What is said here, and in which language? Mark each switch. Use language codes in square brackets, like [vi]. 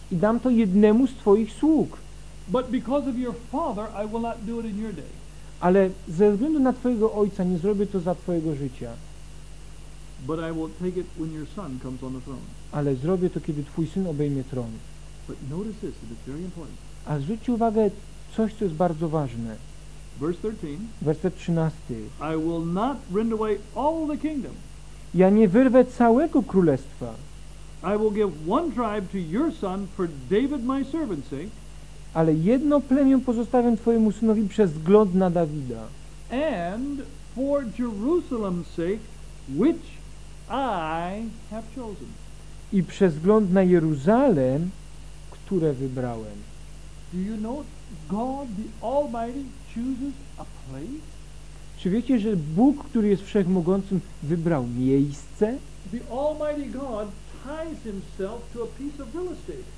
[pl] I dam to jednemu z twoich sług. [en] But because of your father, I will not do it in your day. [pl] Ale ze względu na twojego ojca nie zrobię to za twojego życia. [en] But I will take it when your son comes on the throne. [pl] Ale zrobię to, kiedy twój syn obejmie tron. [en] But notice this, that it's very important. [pl] A zwróćcie uwagę, coś, co jest bardzo ważne. [en] Verse 13. [pl] Werset 13. [en] I will not rend away all the kingdom. [pl] Ja nie wyrwę całego królestwa. [en] I will give one tribe to your son for David my servant's sake. [pl] Ale jedno plemię pozostawię twojemu synowi przez wzgląd na Dawida. [en] And for Jerusalem's sake, which I have chosen. [pl] I przez wzgląd na Jeruzalem, które wybrałem. [en] Do you know God the Almighty chooses a place? [pl] Czy wiecie, że Bóg, który jest wszechmogącym, wybrał miejsce? [en] The Almighty God ties himself to a piece of real estate.